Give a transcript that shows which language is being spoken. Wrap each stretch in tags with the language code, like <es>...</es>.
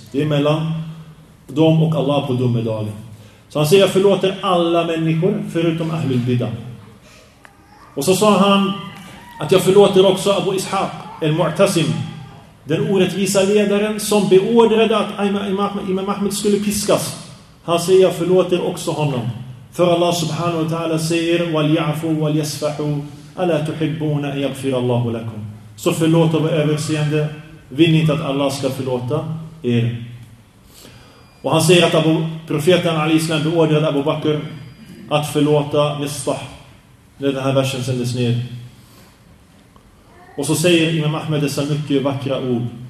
<sv>Det är mellan dem och Allah på domedagen. Så han säger, jag förlåter alla människor förutom Ahlul Bidah. Och så sa han att jag förlåter också Abu Ishaq Al-Mu'tasim, den orättvisa ledaren som beordrade att Imam Ahmed skulle piskas. Han säger, jag förlåter också honom. För</sv> <ar>Allah subhanahu wa ta'ala</ar> <sv>säger</sv> <ar>وَلْيَعْفُوا وَلْيَسْفَحُوا أَلَا تُحِبُّونَ يَغْفِرَ اللَّهُ لَكُمْ.</ar> <sv>Så förlåt och överseende, vill ni inte att Allah ska förlåta er? Och han säger att profeten Ali Islam beordrade Abu Bakr att förlåta Misfah. När den här versen sändes ner. Och så säger Imam Ahmed så mycket vackra ord.</sv>